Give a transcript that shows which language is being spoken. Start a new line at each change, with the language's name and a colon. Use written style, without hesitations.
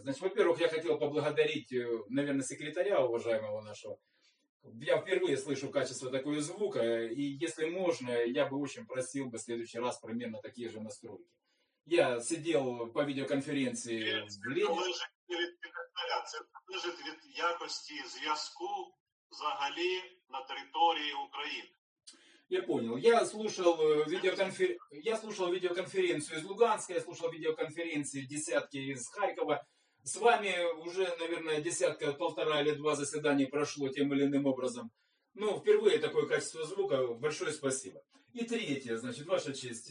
Russian: Значит, во-первых, я хотел поблагодарить, наверное, секретаря уважаемого нашего. Я впервые слышу качество такого звука, и если можно, я бы очень просил бы в следующий раз примерно такие же настройки. Я сидел по видеоконференции в Ленинграде.
Ukrainian: Це залежить від якості зв'язку взагалі на території України.
Russian: Я понял. Я слушал видеоконференцию из Луганска, я слушал видеоконференции десятки из Харькова. С вами уже, наверное, десятка, полтора или два заседания прошло тем или иным образом. Ну, впервые такое качество звука. Большое спасибо. И третье, значит, ваша честь.